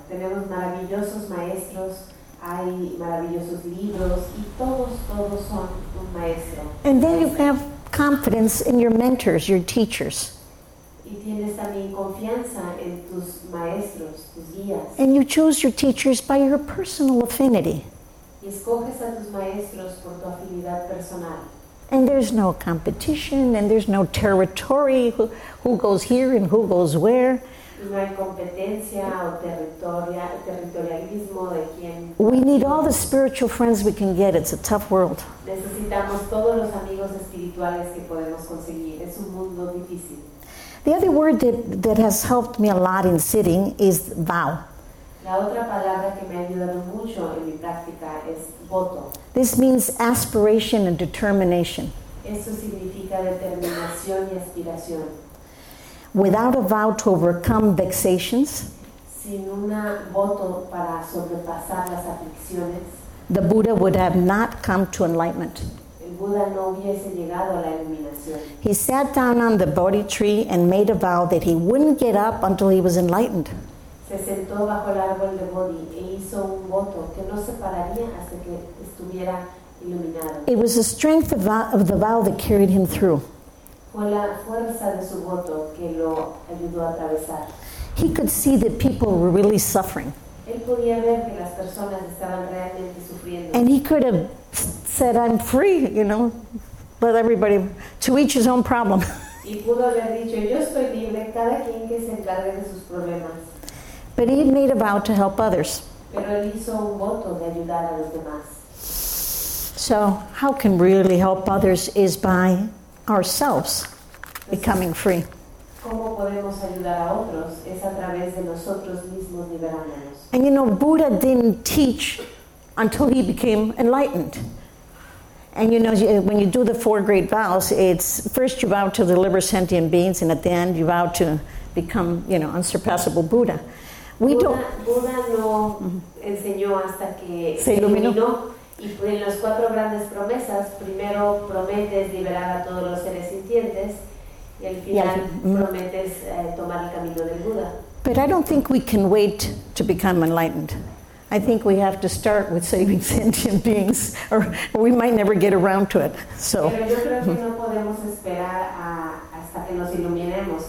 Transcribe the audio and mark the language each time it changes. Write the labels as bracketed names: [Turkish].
[Spanish] Tenemos maravillosos maestros, hay maravillosos libros, y todos son un maestro. [English] And then you have confidence in your mentors, your teachers. [Spanish] Y tienes también confianza en tus maestros, tus guías. [English] And you choose your teachers by your personal affinity. [Spanish] Y escoges a tus maestros por tu afinidad personal. [English] And there's no competition, and there's no territory, who goes here and who goes where. [Spanish] No hay competencia o territorialismo de quién. [English] We need all the spiritual friends we can get. It's a tough world. [Spanish] Necesitamos todos los amigos espirituales que podemos conseguir. Es un mundo difícil. [English] The other word that has helped me a lot in sitting is vow. [Spanish] La otra palabra que me ha ayudado mucho en mi práctica es voto. [English] This means aspiration and determination. [Spanish] Eso significa determinación y aspiración. [English] Without a vow to overcome vexations, [Spanish] sin una voto para sobrepasar las aflicciones, [English] the Buddha would have not come to enlightenment. [Spanish] El Buda no hubiese llegado a la iluminación. [English] He sat down on the Bodhi tree and made a vow that he wouldn't get up until he was enlightened. [Spanish] Se sentó bajo el árbol de Bodhi e hizo un voto que no se pararía hasta que estuviera iluminado. [English] It was the strength of the vow that carried him through. [Spanish] Fue la fuerza de su voto que lo ayudó a atravesar. [English] He could see that people were really suffering. [Spanish] Él podía ver que las personas estaban realmente sufriendo. [English] And he could have said, I'm free, you know, but everybody, to each his own problem. [Spanish] Y pudo haber dicho, yo estoy libre, cada quien que se encargue de sus problemas. [English] But he had made a vow to help others. [Spanish] Pero él hizo un voto de ayudar a los demás. [English] So how can we really help others is by ourselves becoming free. [Spanish] ¿Cómo podemos ayudar a otros? Es a través de nosotros mismos liberándonos. [English] And you know, Buddha didn't teach until he became enlightened. And you know, when you do the four great vows, it's first you vow to deliver sentient beings, and at the end you vow to become, you know, unsurpassable Buddha. [Spanish] Buda no enseñó hasta que se iluminó. Y en las cuatro grandes promesas, primero prometes liberar a todos los seres sintientes y al final prometes tomar el camino del Buda. [English] But I don't think we can wait to become enlightened. I think we have to start with saving sentient beings, or we might never get around to it. So. [Spanish] Pero yo creo que no podemos esperar hasta que nos iluminemos.